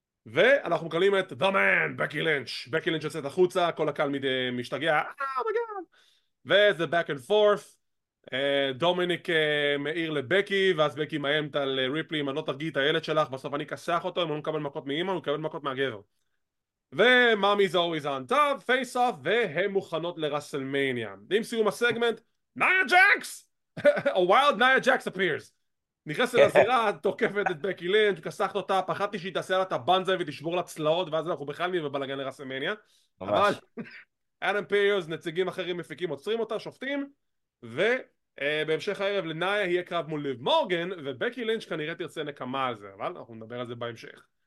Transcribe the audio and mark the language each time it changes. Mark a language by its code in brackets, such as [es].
[he] ואנחנו מקבלים את The Man, בקי לינץ'. בקי לינץ' יוצאת החוצה, כל הקהל משתגע, וזה [en] back and forth. [he] דומיניק מאיר לבקי, ואז בקי מאיימת על ריפלי, אם אני לא תרגיעי את הילד שלך, בסוף אני אכסח אותו, אם הוא מקבל מכות מאימא, הוא מקבל מכות מהגבר. ומאמי זה [en] always on top, face off, [he] והן מוכנות לרסלמניה. עם סיום הסגמנט, ניה ג'קס! [en] A wild ניה ג'קס appears. [he] נכנסת לזירה, תוקפת את בקי לינץ', כסחת אותה, פחדתי שהיא תעשה לה את הבנזה ותשבור לה צלעות, ואז אנחנו בכלל נהיה בבלגן לרסלמניה. אבל אדם פיירס, נציגים אחרים מפיקים, עוצרים אותה, שופטים, ובהמשך הערב לניה יהיה קרב מול ליב מורגן, ובקי לינץ' כנראה תרצה נקמה על זה, אבל אנחנו נדבר על זה בהמשך.